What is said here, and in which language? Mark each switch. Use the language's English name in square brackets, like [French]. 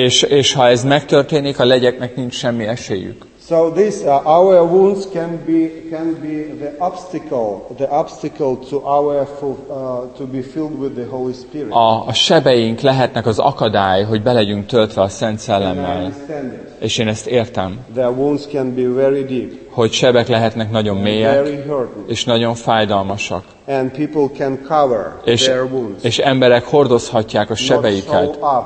[Hungarian] És ha ez megtörténik, a legyeknek nincs semmi esélyük. [English] So this our wounds can be the obstacle to our to be filled with the Holy Spirit. [Hungarian] A sebeink lehetnek az akadály, hogy belegyünk töltve a Szent Szellemmel. És én ezt értem. [English] The wounds can be very deep. [Hungarian] Hogy sebek lehetnek nagyon mélyek, [English] very hurting, [Hungarian] és nagyon fájdalmasak. [English] And people can cover their wounds. [Hungarian] És emberek hordozhatják a sebeiket.